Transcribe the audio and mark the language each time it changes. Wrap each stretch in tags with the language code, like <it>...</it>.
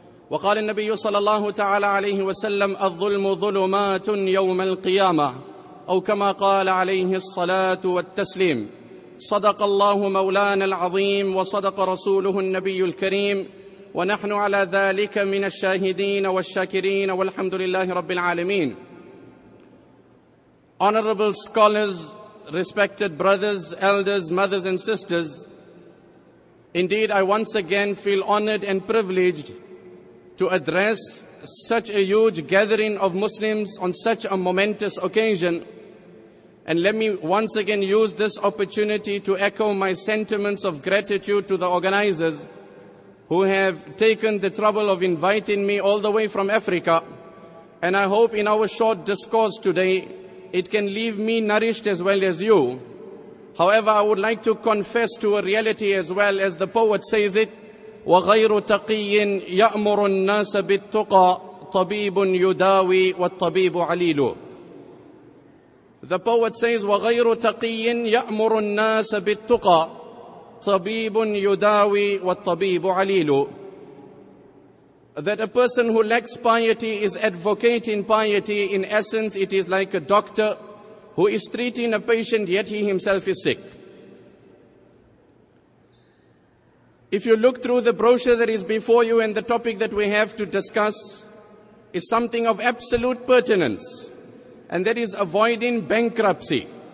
<ar>وقال النبي صلى الله تعالى عليه وسلم: الظلم ظلمات يوم القيامة، أو كما قال عليه الصلاة والتسليم. صدق الله مولانا العظيم وصدق رسوله النبي الكريم، ونحن على ذلك من الشاهدين والشاكرين، والحمد لله رب العالمين.</ar> <en>Honorable scholars, respected brothers, elders, mothers and sisters, indeed I once again feel honored and privileged to address such a huge gathering of Muslims on such a momentous occasion. And let me once again use this opportunity to echo my sentiments of gratitude to the organizers who have taken the trouble of inviting me all the way from Africa. And I hope in our short discourse today, it can leave me nourished as well as you. However, I would like to confess to a reality as well, as the poet says it:</en> <ar>وَغَيْرُ تَقِيٍّ يَأْمُرُ النَّاسَ بِالتُّقَى طَبِيبٌ يُدَاوِي وَالطَّبِيبُ عَلِيلُ.</ar> <en>The poet says,</en> <ar>وَغَيْرُ تَقِيٍّ يَأْمُرُ النَّاسَ بِالتُّقَى طَبِيبٌ يُدَاوِي وَالطَّبِيبُ عَلِيلُ.</ar> <en>That a person who lacks piety is advocating piety. In essence, it is like a doctor who is treating a patient, yet he himself is sick. If you look through the brochure that is before you, and the topic that we have to discuss is something of absolute pertinence, and that is avoiding bankruptcy.</en>